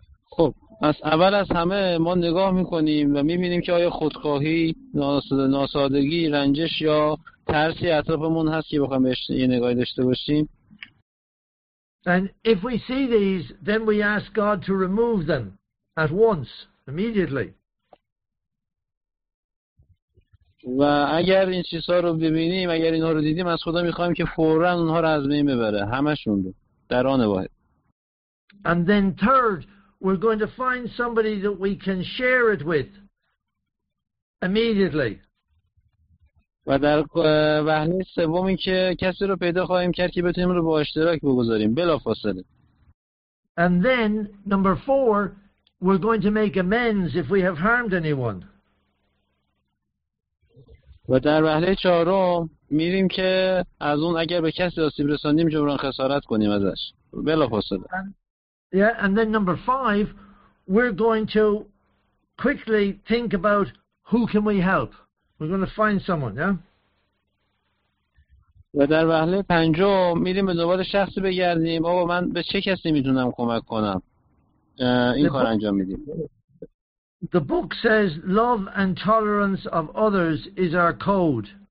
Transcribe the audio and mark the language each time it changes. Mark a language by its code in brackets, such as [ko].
[fa] خب پس اول از همه ما نگاه میکنیم و میبینیم که آیا خودخواهی، ناسادگی، رنجش یا ترسی اطرافمون هست که بخوایم بهش یه نگاهی داشته باشیم. [en] And if we see these, then we ask God to remove them at once, immediately. [fa] و اگر این چیزها رو ببینیم، اگر اینها رو دیدیم، از خدا میخوایم که فوراً اونها رو از بین ببره، همشون رو، در آن واحد. [en] And then third, we're going to find somebody that we can share it with immediately. [fa] و در وهله سوم اینکه کسی رو پیدا خواهیم کرد که بتونیم رو با اشتراک بگذاریم بلافاصله. [en] And then number four, we're going to make amends if we have harmed anyone. [fa] و در وهله چهارم میریم که از اون اگر به کسی آسیب رسانیم جبران خسارت کنیم ازش بلافاصله. [en] Yeah, and then number five, we're going to quickly think about who can we help. We're going to find someone, yeah? [fa] و در وهله پنجم میریم به دنبال شخصی بگردیم. آقا من به چه کسی میتونم کمک کنم؟ این کار انجام میدیم. [en] The book says love and tolerance of others is our code.